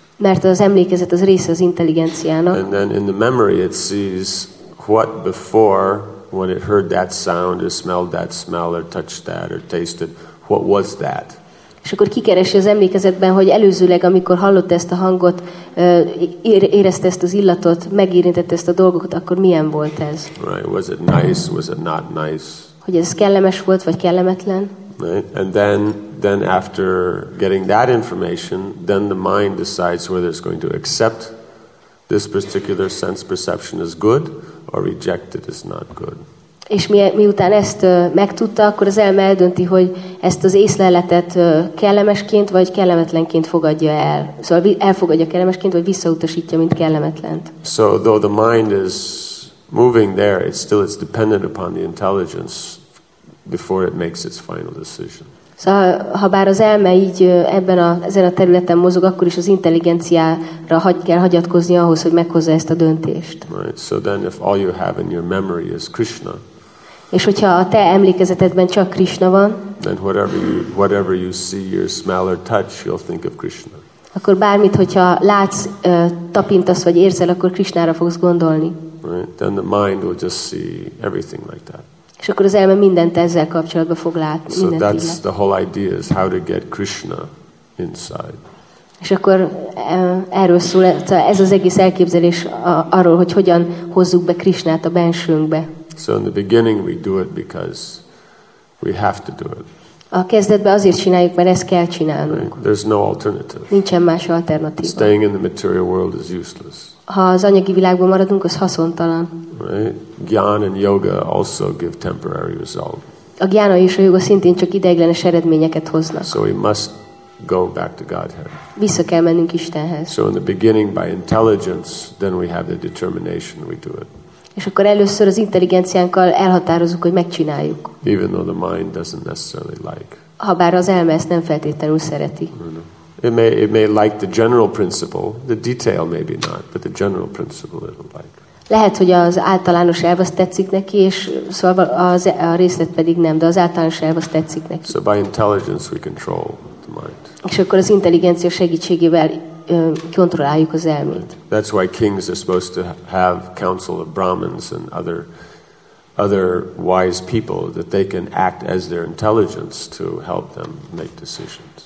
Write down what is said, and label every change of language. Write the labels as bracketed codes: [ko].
[hu] Mert az emlékezet az része az intelligenciának. [en] And then in the memory it sees what before, when it heard that sound, or smelled that smell, or touched that, or tasted, what was that? [hu] És akkor kikeresi az emlékezetben, hogy előzőleg, amikor hallott ezt a hangot, érezte ezt az illatot, megérintette ezt a dolgot, akkor milyen volt ez? [en] Right. Was it nice? Was it not nice? [hu] Hogy ez kellemes volt, vagy kellemetlen? [en] Right. And then after getting that information, then the mind decides whether it's going to accept this particular sense perception as good, or reject it as not good. [hu] És miután ezt megtudta, akkor az elme eldönti, hogy ezt az észleletet kellemesként vagy kellemetlenként fogadja el. Szóval elfogadja kellemesként, vagy visszautasítja, mint kellemetlent. [en] So though the mind is moving there, it's still dependent upon the intelligence before it makes its final decision. [hu] Szóval, ha bár az elme így ebben a, ezen a területen mozog, akkor is az intelligenciára kell hagyatkozni ahhoz, hogy meghozza ezt a döntést. [en] Right. So then if all you have in your memory is Krishna. [hu] És hogyha a te emlékezetedben csak Krishna van, [en] then whatever you see or smell or touch, you'll think of Krishna. [hu] Akkor bármit, hogyha látsz, tapintasz vagy érzel, akkor Krishnára fogsz gondolni. [en] Right. Then the mind will just see everything like that. [hu] És akkor az elme mindent ezzel kapcsolatban fog látni. [en] So that's the whole idea, is how to get Krishna inside. [hu] És akkor erről szól, ez az egész elképzelés arról, hogy hogyan hozzuk be Krishnát a bensőnkbe. [en] So in the beginning we do it because we have to do it. [hu] A kezdetben azért csináljuk, mert ezt kell csinálnunk. [en] Right. There's no alternative. [hu] Nincsen más alternatíva. [en] Staying in the material world is useless. [hu] Ha az anyagi világban maradunk, az haszontalan. [en] Right. Gyan and yoga also give temporary result. [hu] A gyána és a joga szintén csak ideiglenes eredményeket hoznak. [en] So we must go back to Godhead. [hu] Vissza kell mennünk Istenhez. [en] So in the beginning by intelligence, then we have the determination, we do it. [hu] És akkor először az intelligenciánkkal elhatározunk, hogy megcsináljuk. [en] Even though the mind doesn't necessarily like. [hu] Habár az elme ezt nem feltétlenül szereti. [en] It may like the general principle, the detail maybe not, but the general principle it'll like. [hu] Lehet, hogy az általános elv az tetszik neki, és szóval az a részlet pedig nem, de az általános elv az tetszik neki. [en] So by intelligence we control the mind. [hu] És akkor az intelligencia segítségével kontrolláljuk az elmét. [en] That's why kings are supposed to have council of Brahmins and other wise people, that they can act as their intelligence to help them make decisions.